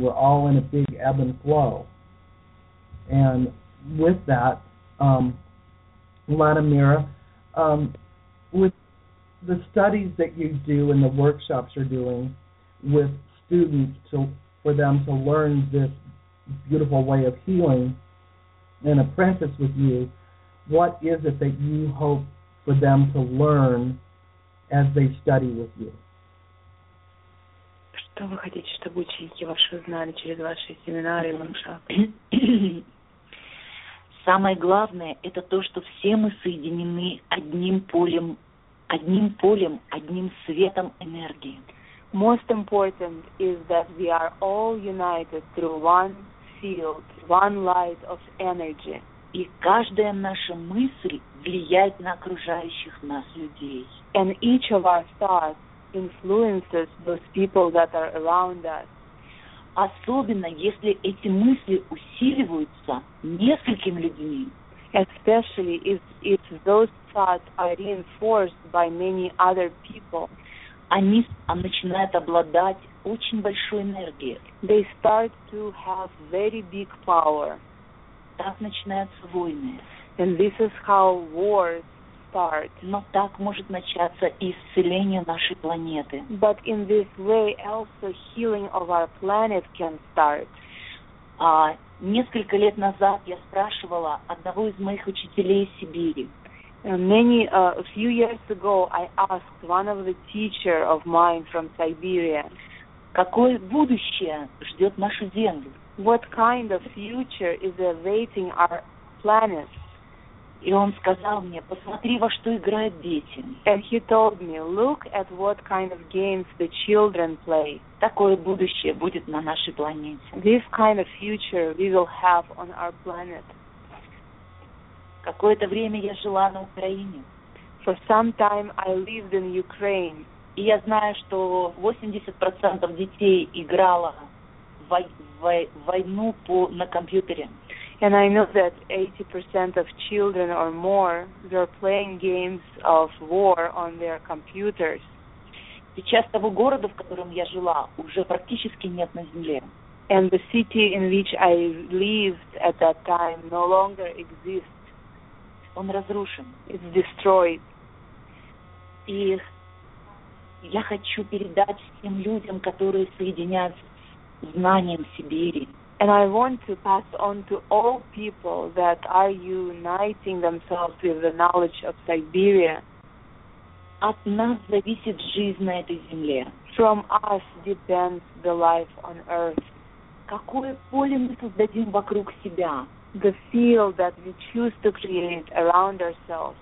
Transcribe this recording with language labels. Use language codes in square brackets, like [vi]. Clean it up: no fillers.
[en] We're all in a big ebb and flow. And with that, Latimera, with the studies that you do and the workshops you're doing with students for them to learn this beautiful way of healing and apprentice with you, what is it that you hope for them to learn as they study with you? [ru] Что вы хотите, чтобы ученики ваши знали через ваши семинары и воркшопы? Самое главное – это то, что все мы соединены одним полем, одним светом энергии. [en] Most important is that we are all united through one field, one light of energy. [ru] И каждая наша мысль влияет на окружающих нас людей. [en] And each of our thoughts influences those people that are around us. [ru] Особенно если эти мысли усиливаются несколькими людьми. [en] Especially if those thoughts are reinforced by many other people. [ru] Они начинают обладать очень большой энергией. [en] They start to have very big power. [ru] Так начинаются войны. [en] And this is how wars start. [ru] Но так может начаться и исцеление нашей планеты. [en] But in this way also healing of our planet can start. [ru] Несколько лет назад я спрашивала одного из моих учителей из Сибири. [en] A few years ago I asked one of the teacher of mine from Siberia. [ru] Какое будущее ждет нашу Землю? [en] What kind of future is awaiting our planet? [ru] И он сказал мне, посмотри, во что играют дети. [en] And he told me, look at what kind of games the children play. [ru] Такое будущее будет на нашей планете. [en] This kind of future we will have on our planet. [ru] Какое-то время я жила на Украине. [en] For some time I lived in Ukraine. [ru] И я знаю, что 80% детей играло войну на компьютере. [en] And I know that 80% of children or more were playing games of war on their computers. [ru] Сейчас того города, в котором я жила, уже практически нет на земле. [en] And the city in which I lived at that time no longer exists. [ru] Он разрушен. [en] It's destroyed. [ru] И я хочу передать всем людям, которые соединяются с знанием Сибири. [en] And I want to pass on to all people that are uniting themselves with the knowledge of Siberia. [ru] От нас зависит жизнь на этой земле. [en] From us depends the life on earth. [ru] Какое поле мы создадим вокруг себя? [en] The field that we choose to create around ourselves.